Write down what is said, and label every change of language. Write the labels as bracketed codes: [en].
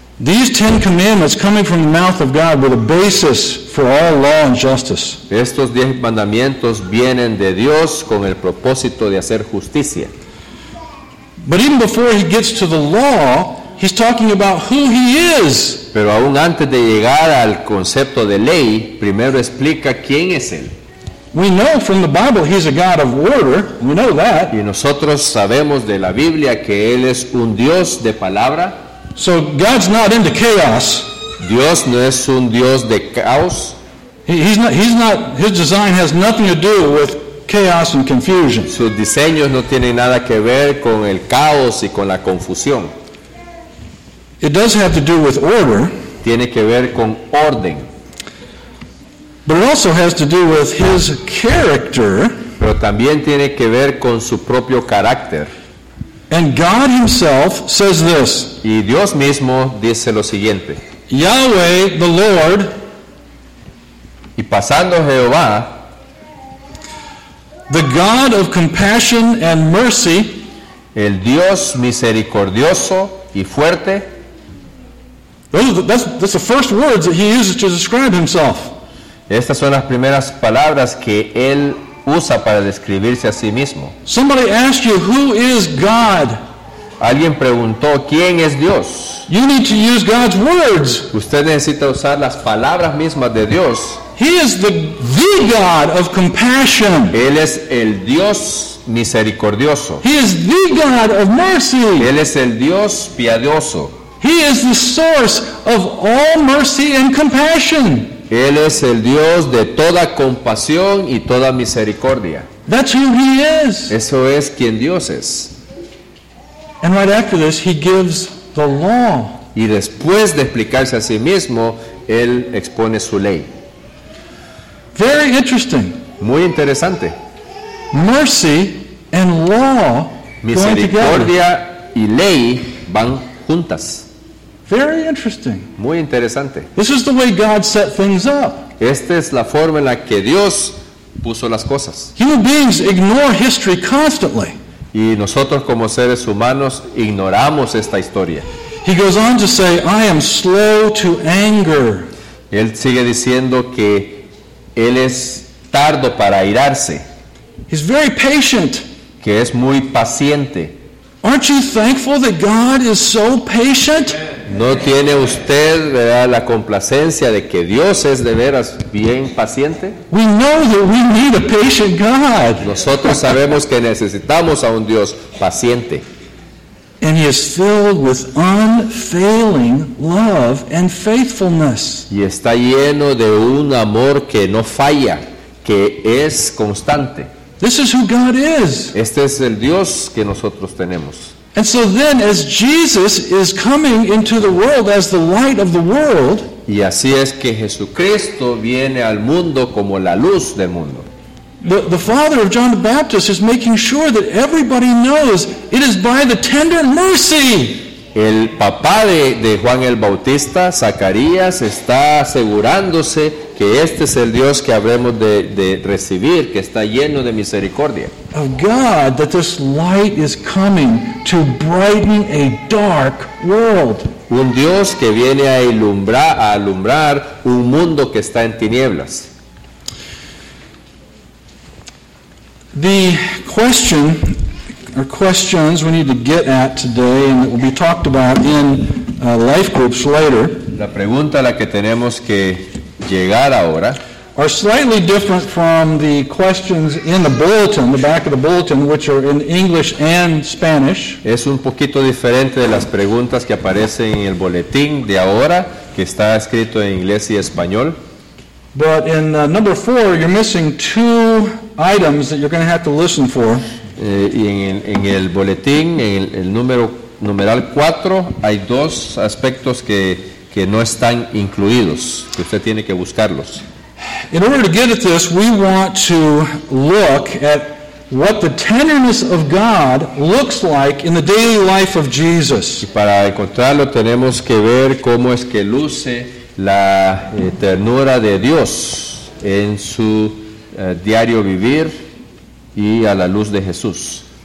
[en] these Ten Commandments coming from the mouth of God were the basis for all law and justice. [es] Estos 10 mandamientos vienen de Dios con el propósito de hacer justicia. [en] But even before He gets to the law, He's talking about who He is. [es] Pero aún antes de llegar al concepto de ley, primero explica quién es Él. [en] We know from the Bible He's a God of order. We know that. [es] Y nosotros sabemos de la Biblia que Él es un Dios de palabra. [en] So God's not into chaos. [es] Dios no es un Dios de caos. [en] He's not. His design has nothing to do with chaos and confusion. [es] Sus diseños no tienen nada que ver con el caos y con la confusión. [en] It does have to do with order. [es] Tiene que ver con orden. [en] But it also has to do with His character. [es] Pero también tiene que ver con su propio carácter. [en] And God Himself says this. [es] Y Dios mismo dice lo siguiente. [en] Yahweh, the Lord. [es] Y pasando Jehová. [en] The God of compassion and mercy. [es] El Dios misericordioso y fuerte. [en] That's the first words that He uses to describe Himself. [es] Estas son las primeras palabras que Él usa para describirse a sí mismo. [en] Somebody asked you, who is God? [es] Alguien preguntó, ¿quién es Dios? [en] You need to use God's words. [es] Usted necesita usar las palabras mismas de Dios. [en] He is the God of compassion. [es] Él es el Dios misericordioso. [en] He is the God of mercy. [es] Él es el Dios piadoso. [en] He is the source of all mercy and compassion. [es] Él es el Dios de toda compasión y toda misericordia. [en] That's who He is. [es] Eso es quien Dios es. [en] And right after this, He gives the law. [es] Y después de explicarse a sí mismo, Él expone su ley. [en] Very interesting. [es] Muy interesante. [en] Mercy and law going together. [es] Misericordia y ley van juntas. [en] Very interesting. [es] Muy interesante. [en] This is the way God set things up. [es] Esta es la forma en la que Dios puso las cosas. [en] Human beings ignore history constantly. [es] Y nosotros como seres humanos ignoramos esta historia. [en] He goes on to say, I am slow to anger. [es] Él sigue diciendo que él es tardo para airarse. [en] He's very patient. [es] Que es muy paciente. [en] Aren't you thankful that God is so patient? [es] ¿No tiene usted, verdad, la complacencia de que Dios es de veras bien paciente? [en] We know that we need a patient God. [es] Nosotros sabemos que necesitamos a un Dios paciente. [en] And he is filled with unfailing love and faithfulness. [es] Y está lleno de un amor que no falla, que es constante. [en] This is who God is. [es] Este es el Dios que nosotros tenemos. [en] And so then, as Jesus is coming into the world as the light of the world, [es] y así es que Jesucristo viene al mundo como la luz del mundo. [en] The father of John the Baptist is making sure that everybody knows it is by the tender mercy. [es] El papá de Juan el Bautista, Zacarías, está asegurándose que este es el Dios que habremos de recibir, que está lleno de misericordia. [en] Of God, that this light is coming to brighten a dark world. [es] Un Dios que viene a alumbrar un mundo que está en tinieblas. [en] The question or questions we need to get at today, and that will be talked about in life groups later. [es] La pregunta a la que tenemos que llegar ahora [en] are slightly different from the questions in the bulletin, the back of the bulletin, which are in English and Spanish. [es] Es un poquito diferente de las preguntas que aparecen en el boletín de ahora, que está escrito en inglés y español. [en] But in number 4, you're missing two items that you're going to have to listen for. [es] Y en el boletín, en el numeral 4, hay dos aspectos que no están incluidos, que usted tiene que buscarlos. [en] In order to get at this, we want to look at what the tenderness of God looks like in the daily life of Jesus. [es] Y para encontrarlo, tenemos que ver cómo es que luce la ternura de Dios en su diario vivir y a la luz de Jesús.